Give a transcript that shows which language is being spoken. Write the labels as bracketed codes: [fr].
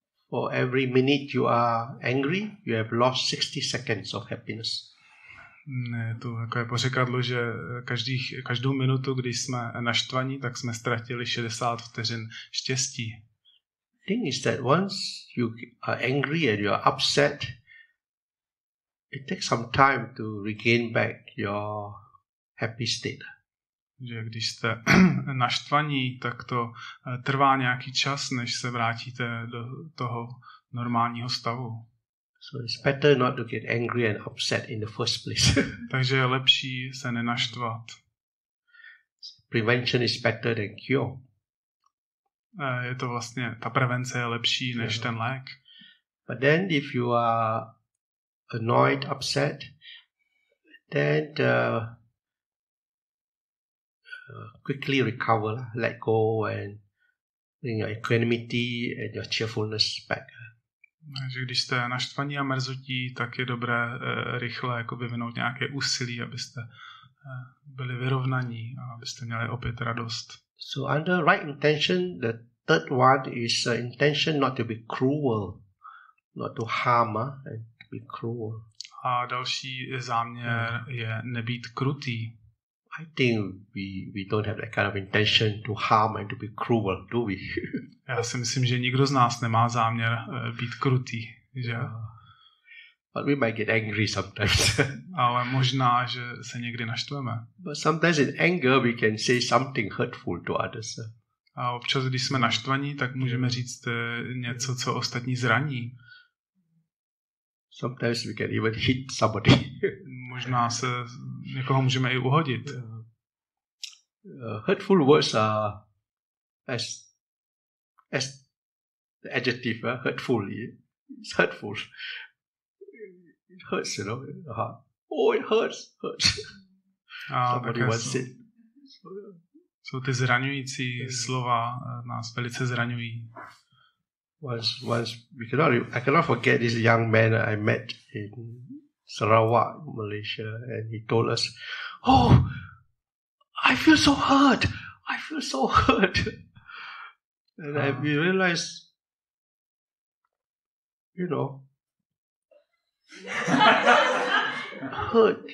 [en] For every minute you are angry, you have lost 60 seconds of happiness. [cs] Ne, to jako je pořekadlo, že každou minutu, když jsme naštvaní, tak jsme ztratili 60 vteřin štěstí. [en] Thing is that once you are angry and you are upset, it takes some time to regain back your happy state. [cs] Že když jste naštvaní, tak to trvá nějaký čas, než se vrátíte do toho normálního stavu. [en] So it's better not to get angry and upset in the first place. [cs] Takže je lepší se nenaštvat. [en] Prevention is better than cure. [cs] Je to vlastně, ta prevence je lepší než ten lék. [en] But then if you are annoyed, upset, then quickly recover, let go and bring your equanimity and your cheerfulness back. [cs] Takže když jste naštvaní a mrzutí, tak je dobré rychle jako vyvinout nějaké úsilí, abyste byli vyrovnaní a abyste měli opět radost. [en] So under right intention, the third one is intention not to be cruel, not to harm, and to be cruel. [cs] A další záměr je nebýt krutý. [en] I think we don't have that kind of intention to harm and to be cruel, do we? [cs] Já si myslím, že nikdo z nás nemá záměr být krutý, že? [en] But we might get angry sometimes. [cs] Ale možná, že se někdy naštveme. [en] But sometimes in anger we can say something hurtful to others. [cs] A občas, když jsme naštvaní, tak můžeme říct něco, co ostatní zraní. [en] Sometimes we can even hit somebody. [cs] Možná se někoho můžeme i uhodit. [en] Hurtful words are as the adjective, hurtful. It's hurtful. It hurts, you know. Oh, it hurts. Hurts. Somebody wants it. [cs] Jsou ty zraňující slova nás velice zraňují. [en] I cannot forget this young man I met in Sarawak, Malaysia, and he told us, "Oh, I feel so hurt. I feel so hurt." And we realized, you know, hurt.